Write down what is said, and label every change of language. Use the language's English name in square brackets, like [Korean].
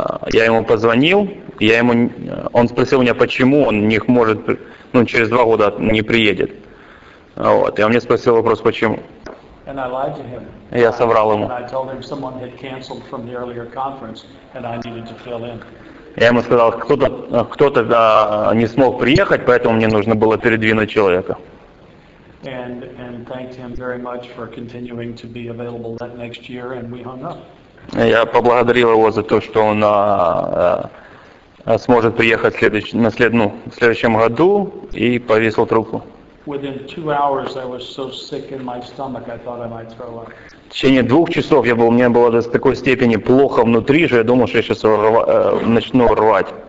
[Russian] Я ему позвонил, он спросил меня, почему он не может, ну, через 2 года не приедет. Вот. И он мне спросил вопрос, почему. [English] And I lied to him. [Russian] Я соврал ему. [English] And I told him someone had canceled from the earlier conference, and I needed to fill in. [Russian] Я ему сказал, кто-то не смог приехать, поэтому мне нужно было передвинуть человека. [English] And thanked him very much for continuing to be available that next year, and we hung up. [Russian] Я поблагодарил его за то, что он сможет приехать в следующем году, и повесил трубку. В течение 2 часов у меня было до такой степени плохо внутри, что я думал, что я сейчас начну рвать.